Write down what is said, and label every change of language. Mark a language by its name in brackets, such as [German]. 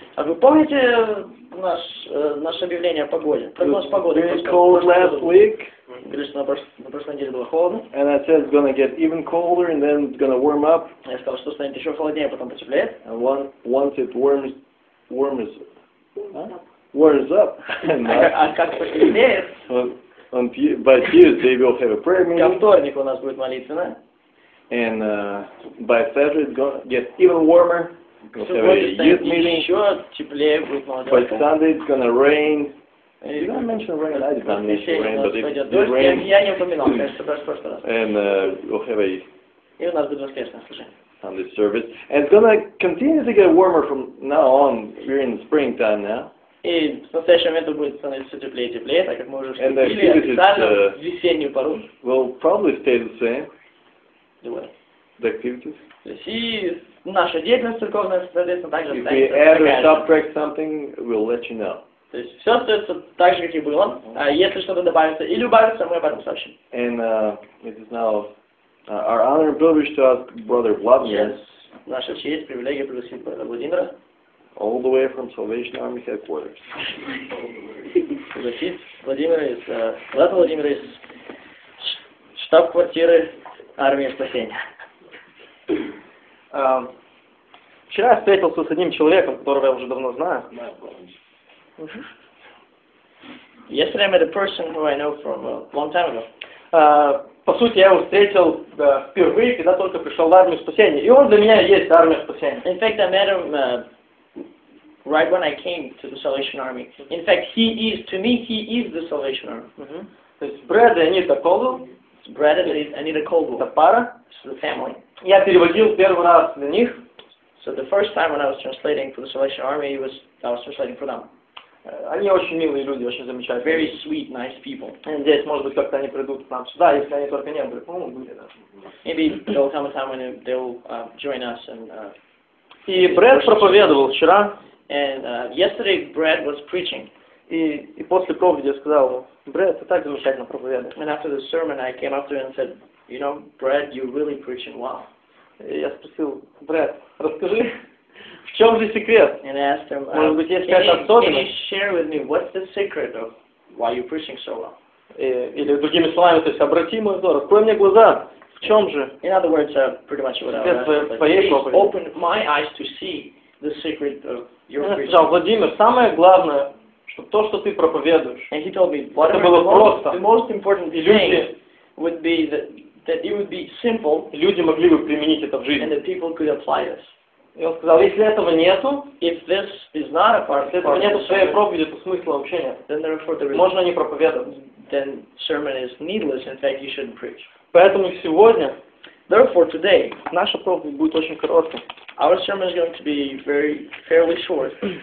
[Russian] А вы помните наше объявление о погоде? Прогноз погоды. [English] It was cold last week. [Russian] На прошлой неделе было холодно. [English] And I said it's gonna get even colder and then it's gonna warm up. [Russian] Я сказал, что станет еще холоднее, потом потеплеет. [English] And once it warms up. Warms up. [Russian] А как потеплеет? [English] By Tuesday we'll have a prayer meeting. [Russian] Ко вторник у нас будет молитвенная. [English] And by Saturday it's gonna get even warmer. We'll have a youth meeting. [Russian] Еще теплее будет молодежь. [English] By Sunday it's gonna rain. You don't mention rain. I didn't mention rain, but it's rain. [Russian] Я не упоминал, конечно, в прошлый раз. И у нас будет воскресное служение. [English] On this service, and it's gonna continue to get warmer from now on. We're in springtime now. [Russian] И в настоящий момент будет становиться все теплее и теплее, так как мы уже вступили официально в весеннюю пору. [English] Will probably stay the same. The what? The activities. [Russian] То есть и наша деятельность церковная, соответственно, также останется такая же. [English] If we add or subtract something, we'll let you know. [Russian] То есть все остается так же, как и было. А если что-то добавится или убавится, мы об этом сообщим. [English] And it is now our honor and privilege to ask Brother Vladimir. [Russian] Yes, наша честь, привилегия пригласить Брата Владимира. [English] All the way from Salvation Army headquarters. [Russian] Пригласить Владимира из Брата Владимира из штаб-квартиры Армии Спасения. Вчера я встретился с одним человеком, которого я уже давно знаю. [English] Yesterday I met a person who I know from a long time ago. [Russian] По сути, я его встретил впервые, когда только пришел в армию спасения. И он для меня есть армия спасения. [English] In fact, I met him right when I came to the Salvation Army. In fact, he is, to me, he is the Salvation Army. [Russian] То есть, Брэд и Анита Колдуэлл. [English] It's Brad and Anita Colwell. [Russian] Это пара. [English] It's the family. [Russian] Я переводил первый раз на них. [English] So the first time when I was translating for the Salvation Army, I was translating for them. [Russian] Они очень милые люди, очень замечательные. [English] Very sweet, nice people. [Russian] Надеюсь, может быть, как-то они придут к нам сюда, если они только не были. Ну, были, да. [English] Maybe there will come a time when they will join us. [Russian] И Брэд проповедовал вчера. [English] And yesterday Brad was preaching. [Russian] И после проповеди я сказал ему, Брэд, ты так замечательно проповедуешь. [English] And after the sermon I came up to him and said, you know, Brad, you're really preaching well. [Russian] И я спросил, Брэд, расскажи. В чем же секрет? [English] And I asked him, [Russian] может быть, есть какая-то особенность? [English] Can you share with me what's the secret of why you're preaching so well? [Russian] Или другими словами, то есть обрати мой взор, открой мне глаза. В чем же? [English] In other words, pretty much what I asked. Please open my eyes to see the secret of your preaching. [Russian] Сказал, Владимир, самое главное, что то, что ты проповедуешь. [English] And he told me, [Russian] это было просто. [English] The most important thing would be that it would be simple. [Russian] Люди могли бы применить это в жизни. [English] And that people could apply this. [Russian] И он сказал, если этого нету, [English] if this is not a part, [Russian] если этого [English] part [Russian] нету в своей проповеди, то смысла вообще нет. [English] Then therefore there is, [Russian] можно не проповедовать. [English] Then sermon is needless. In fact, you shouldn't preach. [Russian] Поэтому сегодня, [English] therefore today, [Russian] наша проповедь будет очень короткой. [English] Our sermon is going to be very fairly short.